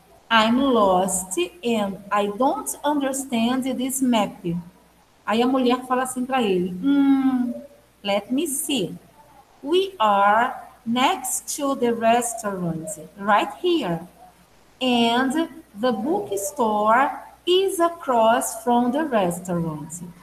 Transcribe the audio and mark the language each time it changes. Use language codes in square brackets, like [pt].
[en] I'm lost and I don't understand this map. [pt] Aí a mulher fala assim para ele, [en] let me see. We are next to the restaurant, right here. And the bookstore is across from the restaurant.